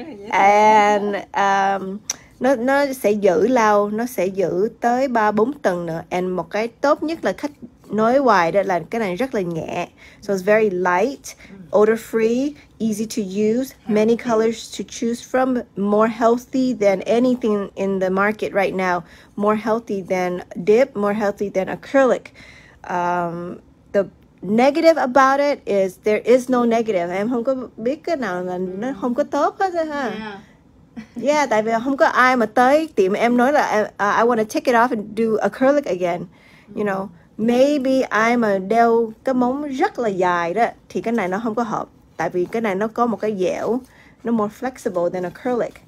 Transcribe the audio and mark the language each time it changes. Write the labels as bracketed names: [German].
[Vietnamese] And nó sẽ giữ lâu, nó sẽ giữ tới 3-4 tuần nữa. And một cái tốt nhất là khách nói hoài đó là cái này rất là nhẹ. [English] So it's very light, odor free, easy to use, many colors to choose from, more healthy than anything in the market right now. More healthy than dip, more healthy than acrylic. The negative about it is there is no negative. [Vietnamese] Em không có biết cái nào là nó không có tốt hết rồi, ha. Yeah, tại vì không có ai mà tới tìm em nói là [English] I want to take it off and do acrylic again. [Vietnamese] You know, maybe ai mà đeo cái móng rất là dài đó thì cái này nó không có hợp. Tại vì cái này nó có một cái dẻo, nó [English] more flexible than acrylic.